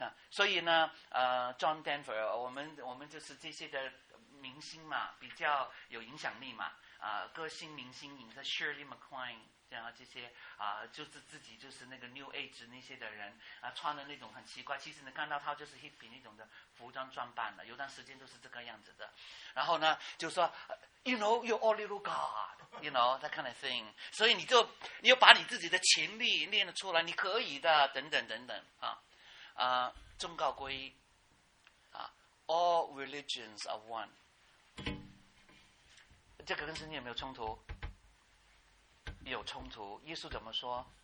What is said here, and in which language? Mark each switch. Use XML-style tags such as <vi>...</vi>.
<zh>所以呢，John Denver， 我们就是这些的明星嘛，比较有影响力嘛。啊，歌星、明星，你像 Shirley MacLaine 这样这些啊，就是自己就是那个 New Age 那些的人啊，穿的那种很奇怪。其实你看到他就是 hippie 那种的服装装扮的，有段时间都是这个样子的。然后呢，就说</zh> <en>You know you're all little God， you know that kind of thing。</en> <zh>所以你要把你自己的潜力练了出来，你可以的，等等等等啊啊，宗教归一啊，</zh> <en>All religions are one。</en> <zh>这个跟圣经有没有冲突？有冲突。耶稣怎么说？</zh>